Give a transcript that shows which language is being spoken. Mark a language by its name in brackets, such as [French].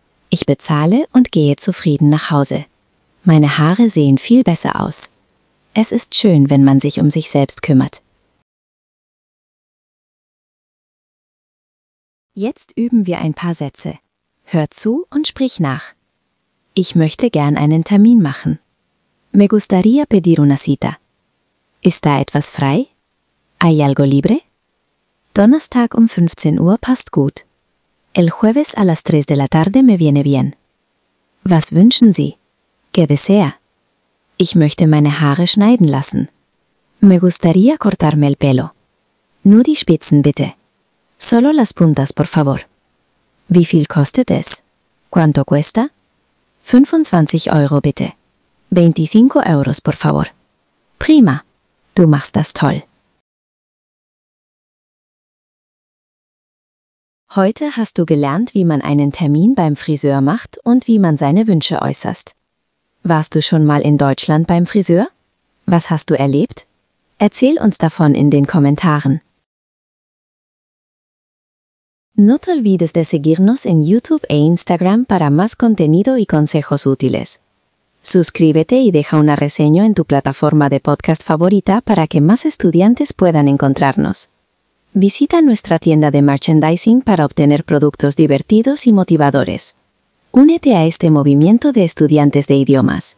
[German] Ich bezahle und gehe zufrieden nach Hause. Meine Haare sehen viel besser aus. Es ist schön, wenn man sich um sich selbst kümmert. Jetzt üben wir ein paar Sätze. Hör zu und sprich nach. Ich möchte gern einen Termin machen. [Spanish] Me gustaría pedir una cita. [German] Ist da etwas frei? [Spanish] ¿Hay algo libre? [German] Donnerstag um 15 Uhr passt gut. [Spanish] El jueves a las 3 de la tarde me viene bien. [German] Was wünschen Sie? [Spanish] ¿Qué desea? [German] Ich möchte meine Haare schneiden lassen. [Spanish] Me gustaría cortarme el pelo. [German] Nur die Spitzen bitte. [Spanish] Solo las puntas, por favor. [German] Wie viel kostet es? [Spanish] ¿Cuánto cuesta? [German] 25 Euro bitte. [Spanish] 25 euros, por favor. [German] Prima. Du machst das toll. Heute hast du gelernt, wie man einen Termin beim Friseur macht und wie man seine Wünsche äußerst. Warst du schon mal in Deutschland beim Friseur? Was hast du erlebt? Erzähl uns davon in den Kommentaren. [Spanish] No te olvides de seguirnos en YouTube e Instagram para más contenido y consejos útiles. Suscríbete y deja una reseña en tu plataforma de podcast favorita para que más estudiantes puedan encontrarnos. Visita nuestra tienda de merchandising para obtener productos divertidos y motivadores. Únete a este movimiento de estudiantes de idiomas.